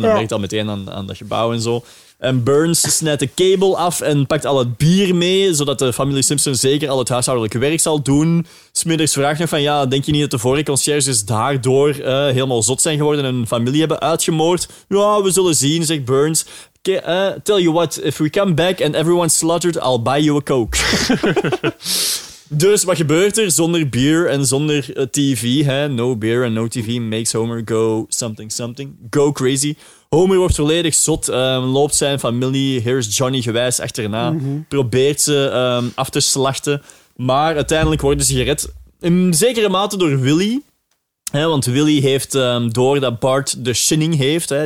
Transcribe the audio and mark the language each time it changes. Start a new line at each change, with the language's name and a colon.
Dutch: Dan werkt al meteen aan dat gebouw en zo. En Burns snijdt de kabel af en pakt al het bier mee, zodat de familie Simpson zeker al het huishoudelijke werk zal doen. Smiddags vraagt nog van, ja, denk je niet dat de vorige conciërges daardoor helemaal zot zijn geworden en hun familie hebben uitgemoord? Ja, we zullen zien, zegt Burns.
English: Okay, tell you what, if we come back and everyone's slaughtered, I'll buy you a Coke.
Dutch: Dus wat gebeurt er zonder bier en zonder TV? Hè?
English: No beer and no TV makes Homer go something something. Go crazy.
Dutch: Homer wordt volledig zot. Loopt zijn familie, here's Johnny gewijs, achterna. Mm-hmm. Probeert ze af te slachten. Maar uiteindelijk worden ze gered. In zekere mate door Willy. Hè? Want Willy heeft door dat Bart de Shining heeft. Hè?